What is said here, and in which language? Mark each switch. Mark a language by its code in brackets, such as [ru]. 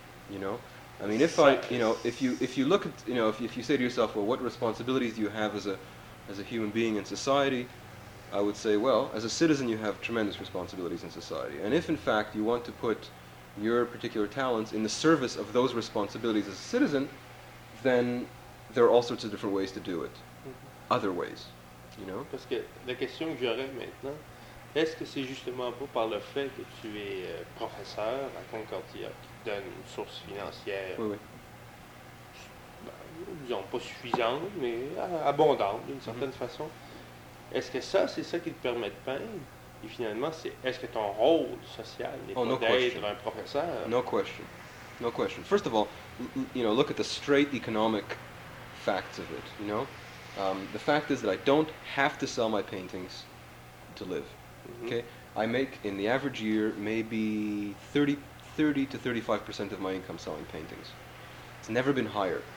[en] You know, I mean, if you say to yourself, well, what responsibilities do you have as a human being in society? I would say, well, as a citizen, you have tremendous responsibilities in society. And if, in fact, you want to put your particular talents in the service of those responsibilities as a citizen, then there are all sorts of different ways to do it. Mm-hmm. Other ways, you know? [fr] Parce que la question que j'aurais maintenant, est-ce que c'est justement pas par le fait que tu es professeur à Concordia qui te donne une source financière, oui, oui. Ben, disons, pas suffisante, mais abondante d'une certaine mm-hmm. façon? Est-ce que ça, c'est ça qui te permet de peindre? Et finalement, c'est est-ce que ton rôle social n'est pas d'être un professeur? [en] No question. No question. First of all, you know, look at the straight economic facts of it, you know? The fact is that I don't have to sell my paintings to live. Mm-hmm. Okay? I make, in the average year, maybe 30 to 35% of my income selling paintings. It's never been higher.